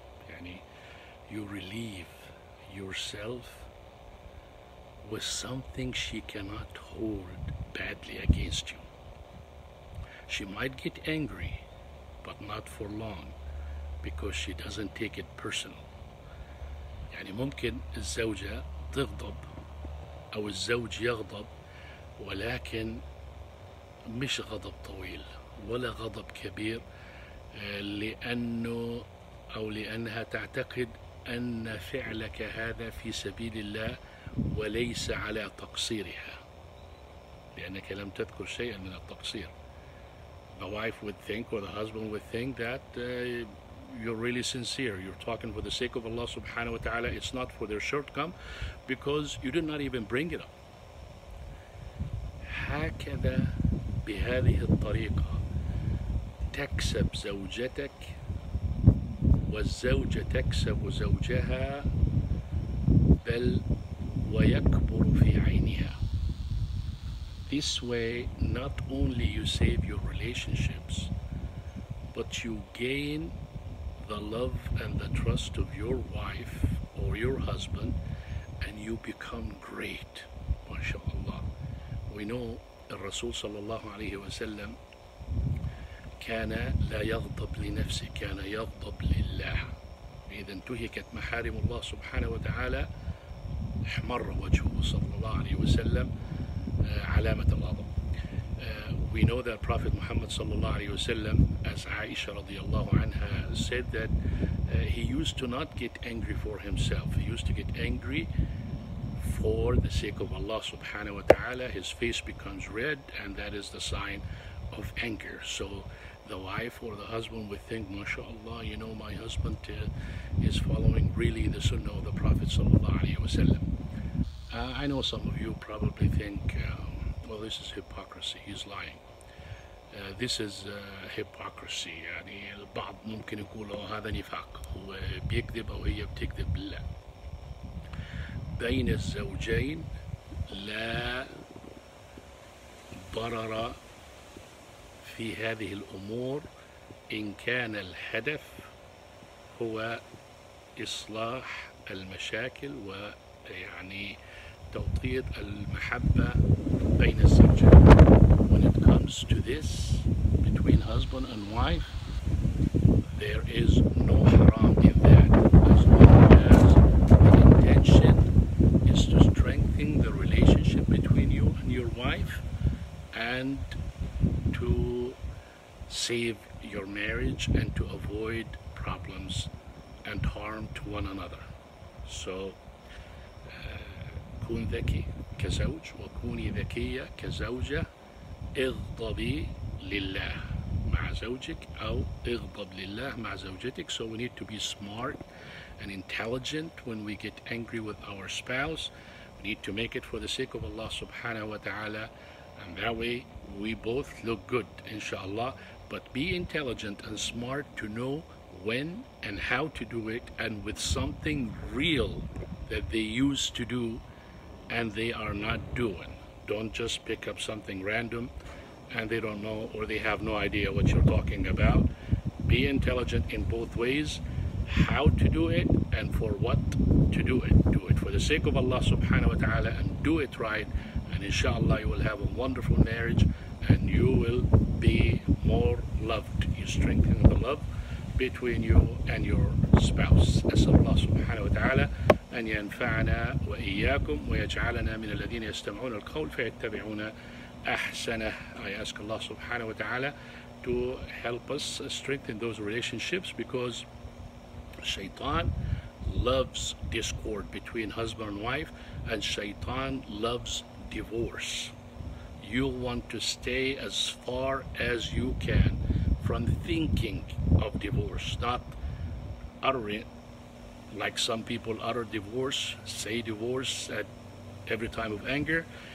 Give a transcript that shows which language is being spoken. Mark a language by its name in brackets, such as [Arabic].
[English] يعني you relieve yourself with something she cannot hold badly against you. She might get angry, but not for long, because she doesn't take it personal. [Arabic] يعني ممكن الزوجة تغضب أو الزوج يغضب، ولكن مش غضب طويل ولا غضب كبير، لأنه أو لأنها تعتقد أن فعلك هذا في سبيل الله وليس على تقصيرها، لأنك لم تذكر شيئا من التقصير. [English] The wife would think, or the husband would think, that you're really sincere. You're talking for the sake of Allah subhanahu wa ta'ala. It's not for their shortcoming, because you did not even bring it up. [Arabic] هكذا بهذه الطريقة تكسب زوجتك، والزوجة تكسب زوجها، بل ويكبر في عينها. [English] This way, not only you save your relationships, but you gain the love and the trust of your wife or your husband, and you become great. MashaAllah. We know [Arabic] الرسول صلى الله عليه وسلم كان لا يغضب لنفسه، كان يغضب لله. إذا انتهكت محارم الله سبحانه وتعالى احمر وجهه صلى الله عليه وسلم، علامة الغضب. [English] We know that Prophet Muhammad صلى الله عليه وسلم, as Aisha رضي الله عنها said, that he used to not get angry for himself. He used to get angry for the sake of Allah subhanahu wa ta'ala. His face becomes red, and that is the sign of anger. So the wife or the husband would think, MashaAllah, you know, my husband is following really the sunnah of the Prophet sallallahu alayhi wa sallam. I know some of you probably think, well, this is hypocrisy, he's lying. This is hypocrisy. [Arabic] يعني البعض ممكن يقول هذا نفاق، هو بيكذب أو هي بتكذب. لا، بين الزوجين لا ضرر في هذه الأمور إن كان الهدف هو إصلاح المشاكل ويعني توطيد المحبة بين الزوجين. [English] When it comes to this between husband and wife, there is no haram in that. As long as the intention is to strengthen the relationship between you and your wife and to save your marriage and to avoid problems and harm to one another. [Arabic] So, كون ذكي كزوج وكوني ذكية كزوجة. اغضبي لله مع زوجك أو اغضب لله مع زوجتك. [English] So we need to be smart and intelligent when we get angry with our spouse. We need to make it for the sake of Allah subhanahu wa ta'ala. And that way we both look good, inshallah. But be intelligent and smart to know when and how to do it, and with something real that they used to do and they are not doing. Don't just pick up something random and they don't know or they have no idea what you're talking about. Be intelligent in both ways, how to do it and for what to do it. Do it for the sake of Allah subhanahu wa ta'ala and do it right, and inshallah you will have a wonderful marriage and you will be more loved. You strengthen the love between you and your spouse. [Arabic] As-salamu Allah subhanahu wa ta'ala أن ينفعنا وإياكم ويجعلنا من الذين يستمعون القول فيتبعون أحسنه. [English] I ask Allah subhanahu wa ta'ala to help us strengthen those relationships, because Shaitan loves discord between husband and wife, and Shaitan loves divorce. You want to stay as far as you can from thinking of divorce, not uttering like some people utter divorce, say divorce at every time of anger.